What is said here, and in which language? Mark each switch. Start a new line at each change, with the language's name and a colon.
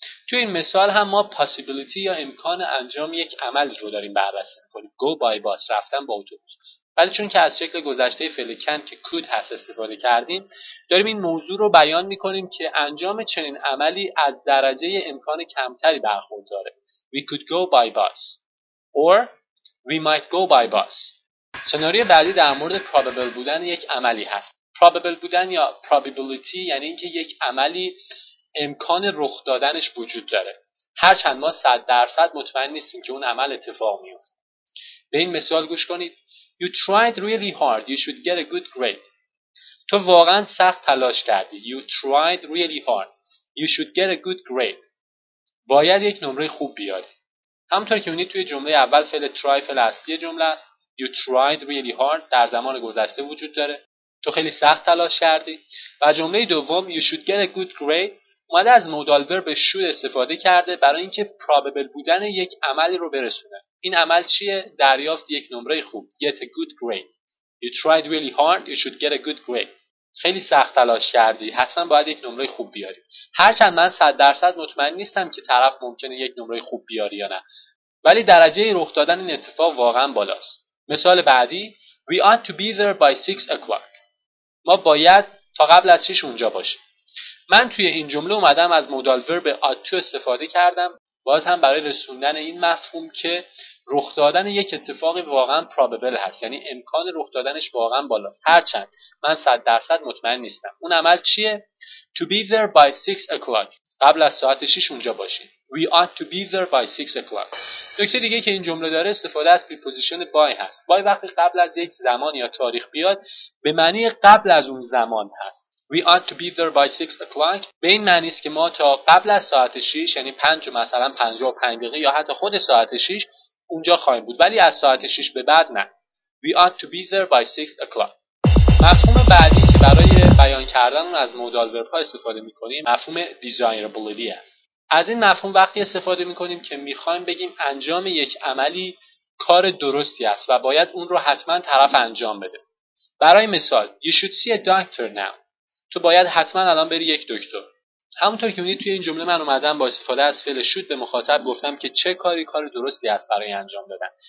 Persian: تو این مثال هم ما possibility یا امکان انجام یک عمل رو داریم بررسی می‌کنیم.
English: Go by bus،
Persian: رفتن با اتوبوس. ولی چون که از شکل گذشته فعل can که could هست استفاده کردیم، داریم این موضوع رو بیان می‌کنیم که انجام چنین عملی از درجه امکان کمتری برخورداره.
English: We could go by bus or we might go by bus.
Persian: سناریو بعدی در مورد probable بودن یک عملی هست. probable بودن یا probability یعنی اینکه یک عملی امکان رخ دادنش وجود داره. هر چند ما 100% مطمئن نیستیم که اون عمل اتفاق میفته. به این مثال گوش کنید.
English: You tried really hard. You should get a good grade.
Persian: تو واقعا سخت تلاش کردی.
English: You tried really hard. You should get a good grade.
Persian: باید یک نمره خوب بیاری. همونطور که می‌بینید توی جمله اول فعل try فعل اصلی جمله است.
English: You tried really hard
Persian: در زمان گذشته وجود داره. تو خیلی سخت تلاش کردی. و جمله دوم
English: You should get a good grade
Persian: اومده از مودال ورب should استفاده کرده برای اینکه probable بودن یک عملی رو برسونه. این عمل چیه؟ دریافت یک نمره خوب.
English: Get a good grade. You tried really hard. You should get a good grade.
Persian: خیلی سخت تلاش کردی. حتما باید یک نمره خوب بیاری. هرچند من 100% مطمئن نیستم که طرف ممکنه یک نمره خوب بیاری یا نه. ولی درجه رخ دادن این اتفاق واقعا بالاست. مثال بعدی.
English: We ought to be there by 6 o'clock.
Persian: ما باید تا قبل از 6 اونجا باشیم. من توی این جمله اومدم از مودال ورب ought to استفاده کردم، باز هم برای رسوندن این مفهوم که رخ دادن یک اتفاق واقعا پراببل هست، یعنی امکان رخ دادنش واقعا بالاست. هرچند من 100% مطمئن نیستم. اون عمل چیه؟
English: To be there by 6 o'clock.
Persian: قبل از ساعت 6 اونجا باشین.
English: We ought to be there by 6 o'clock.
Persian: نکته دیگه که این جمله داره استفاده از پریپوزیشن by هست. by وقتی قبل از یک زمان یا تاریخ بیاد به معنی قبل از اون زمان هست.
English: We ought to be there by 6 o'clock.
Persian: به این معنی است که ما تا قبل از ساعت 6، یعنی 5 مثلا 55 دقیقه یا حتی خود ساعت 6 اونجا خواهیم بود، ولی از ساعت 6 به بعد نه.
English: We ought to be there by 6 o'clock.
Persian: مفهوم بعدی که برای بیان کردن اون از مودال ورب ها استفاده می‌کنیم مفهوم desirability است. از این مفهوم وقتی استفاده می‌کنیم که می‌خوایم بگیم انجام یک عملی کار درستی است و باید اون رو حتما طرف انجام بده. برای مثال
English: You should see a doctor now.
Persian: تو باید حتما الان بری یک دکتر. همونطور که می‌بینید توی این جمله من اومدم با استفاده از فعل should به مخاطب گفتم که چه کاری کار درستی است برای انجام دادن.